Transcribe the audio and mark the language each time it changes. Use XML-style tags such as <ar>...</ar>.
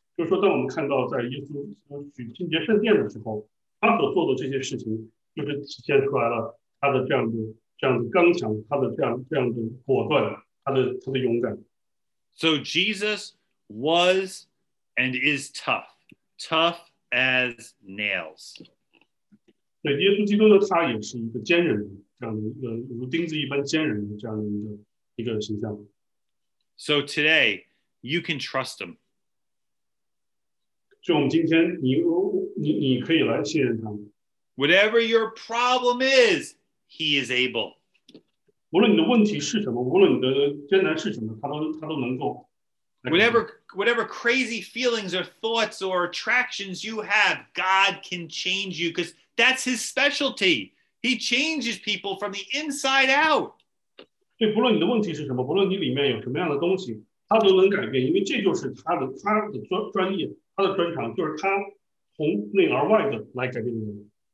<zh>就是说当我们看到在耶稣举清洁圣殿的时候，他所做的这些事情就是体现出来了他的这样的刚强，他的这样的果断，他的勇敢。</zh> <en>So Jesus was and is tough as nails.</en> <zh>对，耶稣基督呢，他也是一个坚韧的，这样的一个如钉子一般坚韧的这样的一个形象。</zh> <en>So today, you can trust him.</en> <zh>就我们今天，你可以来信任他。</zh> <en>Whatever your problem is, he is able.</en> <zh>无论你的问题是什么，无论你的艰难是什么，他都能够。</zh> <en>Whatever crazy feelings or thoughts or attractions you have, God can change you because that's his specialty. He changes people from the inside out.</en> <zh>对，不论你的问题是什么，不论你里面有什么样的东西，他都能改变，因为这就是他的专业，他的专长，就是他从内而外的来改变你。</zh>